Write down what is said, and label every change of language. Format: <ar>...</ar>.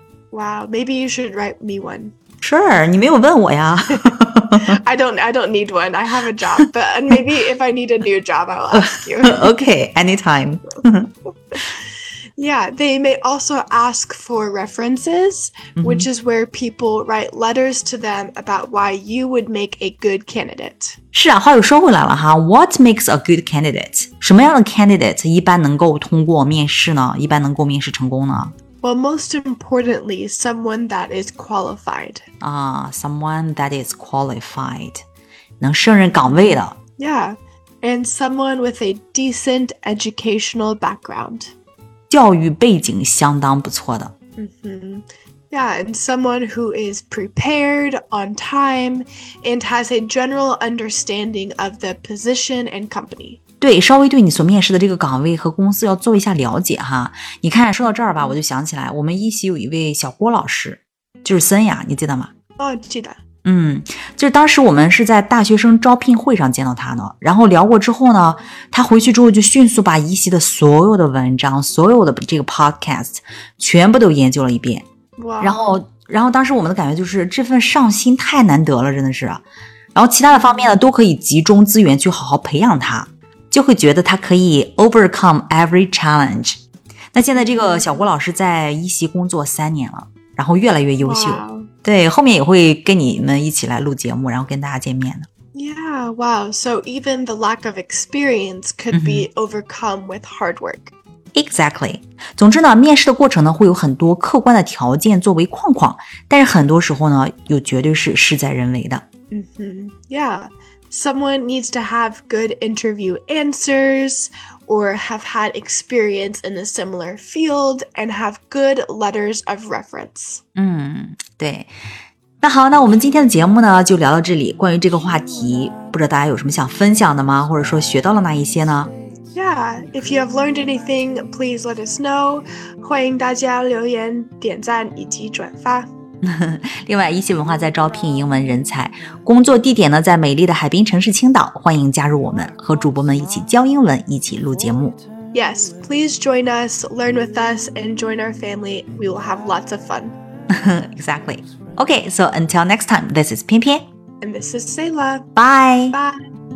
<en>Wow, maybe you should write me one.</en> <zh>Sure, 你没有问我呀。</zh> <en>I don't need one. I have a job, but maybe if I need a new job, I'll ask you. Okay, anytime. Yeah, they may also ask for references, which is where people write letters to them about why you would make a good candidate.</en> <zh>是啊，话又说回来了哈。</zh> <en>What makes a good candidate?</en> <zh>什么样的 candidate 一般能够通过面试呢？一般能够面试成功呢？</zh> <en>Well, most importantly, someone that is qualified. Someone that is qualified.</en> <zh>能胜任岗位的。</zh> <en>Yeah, and someone with a decent educational background.</en> <zh>教育背景相当不错的。 Mm-hmm.</zh> <en>Yeah, and someone who is prepared on time and has a general understanding of the position and company.</en> <zh>对，稍微对你所面试的这个岗位和公司要做一下了解哈。你看，说到这儿吧，我就想起来，我们一席有一位小郭老师，就是森雅，你记得吗？哦，记得。嗯，就是当时我们是在大学生招聘会上见到他呢，然后聊过之后呢，他回去之后就迅速把一席的所有的文章，所有的这个 podcast 全部都研究了一遍。</zh> <en>Wow.</en> <zh>然后当时我们的感觉就是这份上心太难得了，真的是。然后其他的方面呢都可以集中资源去好好培养他，就会觉得他可以</zh> <en>overcome every challenge。</en> <zh>那现在这个小郭老师在一席工作三年了，然后越来越优秀、</zh> <en>wow.</en> <zh>对，后面也会跟你们一起来录节目，然后跟大家见面的。</zh> <en>Yeah, wow. So even the lack of experience could be overcome with hard work. Exactly.</en> <zh>总之呢，面试的过程呢会有很多客观的条件作为框框，但是很多时候呢又绝对是事在人为的。</zh> <en>Yeah, someone needs to have good interview answers or have had experience in a similar field and have good letters of reference.</en> <zh>对。那好，那我们今天的节目呢就聊到这里。关于这个话题，不知道大家有什么想分享的吗？或者说学到了哪一些呢？</zh> <en>Yeah, if you have learned anything, please let us know.</en> <zh>欢迎大家留言、点赞以及转发。另外，一席文化在招聘英文人才，工作地点呢在美丽的海滨城市青岛。欢迎加入我们，和主播们一起教英文，一起录节目。</zh> <en>Yes, please join us, learn with us, and join our family. We will have lots of fun. Exactly. Okay, so until next time, this is Pian Pian. And this is Sayla. Bye. Bye.</en>